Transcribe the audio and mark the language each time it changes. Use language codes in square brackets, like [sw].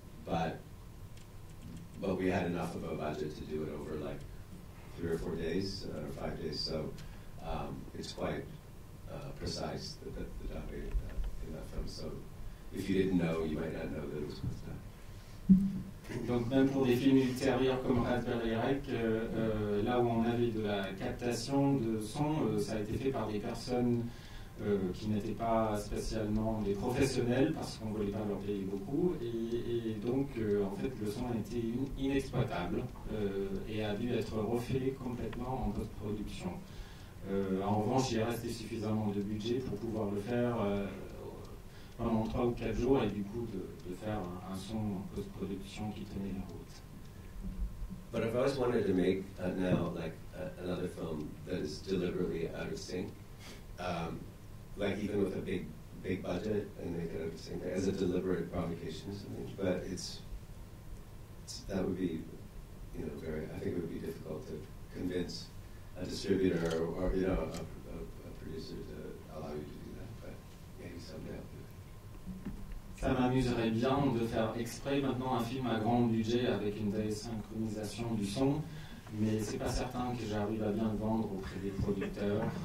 [en] But we had enough of a budget to do it over like 3 or 4 days, or 5 days, so it's quite precise, the dubbing in that film. So if you didn't know, you might not know that it was post-dub. [fr] Donc même pour des films ultérieurs comme Raspberry Rec, là où on avait de la captation de son, ça a été fait par des personnes qui n'étaient pas spécialement des professionnels parce qu'on ne voulait pas leur payer beaucoup. Et donc, en fait, le son était inexploitable et a dû être refait complètement en post-production. En revanche, il restait suffisamment de budget pour pouvoir le faire pendant 3 ou 4 jours et du coup de faire un son en post-production qui tenait la route. [en] But if I was wanted to make now like another film that is deliberately out of sync, like even with a big budget and make it out of sync as a deliberate provocation or something, but it's that would be, you know, very, I think it would be difficult to convince a distributor or you know a producer to allow you to do that, but maybe someday. [fr] Ça m'amuserait bien de faire exprès maintenant un film à grand budget avec une désynchronisation du son, mais c'est pas certain que j'arrive à bien le vendre auprès des producteurs.